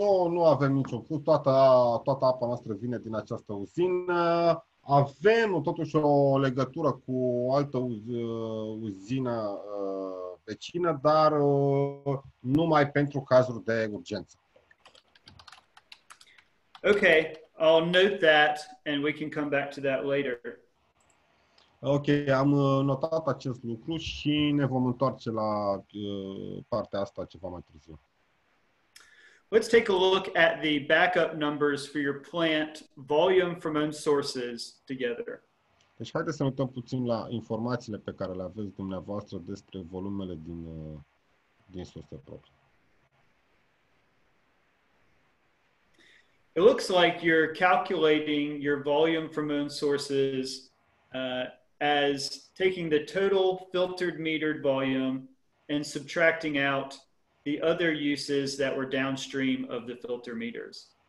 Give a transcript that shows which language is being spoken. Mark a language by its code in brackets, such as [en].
[ro] Nu avem niciun fluct, toată apa noastră vine din această uzină. Avem totuși o legătură cu o altă uzină vecină, dar numai pentru cazuri de urgență. [en] Okay, I'll note that and we can come back to that later. [ro] Ok, am notat acest lucru și ne vom întoarce la partea asta ceva mai târziu. [en] Let's take a look at the backup numbers for your plant volume from own sources together. [ro] Deci haideți să ne uităm puțin la informațiile pe care le aveți dumneavoastră despre volumele din surse proprii. [en] It looks like you're calculating your volume from own sources as taking the total filtered metered volume and subtracting out the other uses that were downstream of the filter meters.